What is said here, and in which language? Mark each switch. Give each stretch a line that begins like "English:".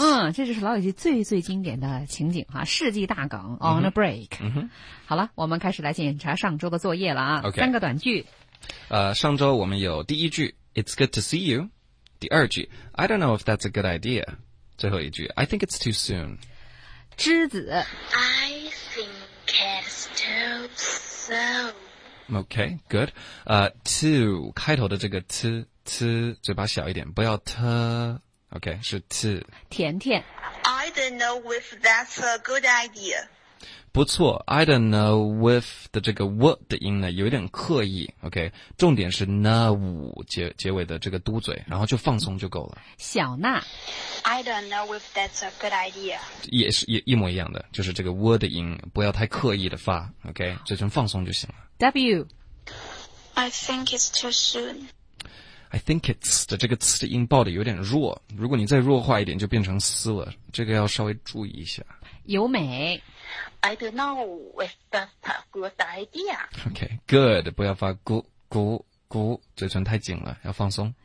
Chinese: 嗯，这就是老友记最最经典的情景啊，世纪大梗 on、 mm-hmm.
English: a break、 mm-hmm.
Chinese: 好了，我们开始来检查上周的作业了啊。
English: Okay.
Chinese: 三个短句。上周我们有第一句
English: It's good to see you.
Chinese: 第二句
English: I don't know if that's a good idea.
Chinese: 最后一句
English: I think it's too soon.
Chinese: 栀子
English: I think it's too soon. Okay, good. To 开头的这个 to 嘴巴小一点不要 to. Okay, 是 to.
Chinese: 甜甜
English: I don't know if that's a good idea.
Chinese: 不错
English: I don't know if
Chinese: 的这个 what 的音呢有一点刻意 OK 重点是 know 结尾的这个嘟嘴然后就放松就够了小娜
English: I don't know if that's a good idea
Chinese: 也是一模一样的就是这个 what 的音不要太刻意的发 OK 这种放松就行了 W
English: I think it's too soon I think it's
Chinese: 的这个词的音爆的有点弱，如果你再弱化一点，就变成嘶了，这个要稍微注意一下。由美
English: ，I don't know if that's a good idea. Okay, good.
Chinese: 不要发咕咕咕，嘴唇太紧了，要放松。